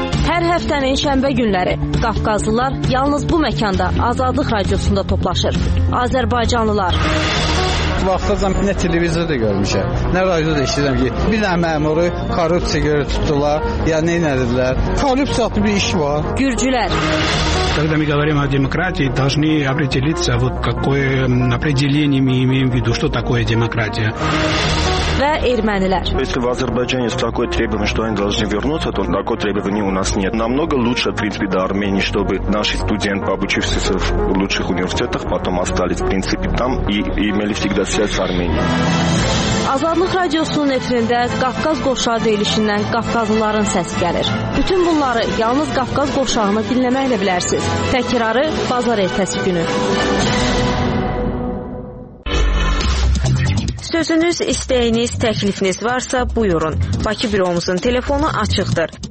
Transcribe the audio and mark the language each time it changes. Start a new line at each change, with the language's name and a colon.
Azerbaijani: Hər həftənin şənbə günləri Qafqazlılar yalnız bu məkanda Azadlıq Radiosunda toplaşır. Azərbaycanlılar. Vaxtacam nə televizor da görmüşəm, nə radio da işləyirəm ki, bir dənə məmuru korrupsiya görə tutdular, ya nə edirlər? Korrupsiya adlı bir iş var. Gürcülər.
Russian: Когда мы говорим о демократии, должны определиться, вот какое определение мы имеем в виду, что такое демократия.
Azerbaijani: Və ermənilər.
Russian: Если в Азербайджане есть такое требование, что они должны вернуться, то такое требование у нас нет. Намного лучше, в принципе, до Армении, чтобы наши студенты, обучившиеся в лучших университетах, потом остались, в принципе, там и имели всегда связь с Арменией.
Azerbaijani: Azadlıq Radiosunun efirində Qafqaz Qovşağı deyilişindən Qafqazlıların səsi gəlir. Bütün bunları yalnız Qafqaz Qovşağını dinləməklə bilərsiniz. Təkrarı bazar ertəsi günü. Sözünüz, istəyiniz, təklifiniz varsa buyurun. Bakı büromuzun telefonu açıqdır.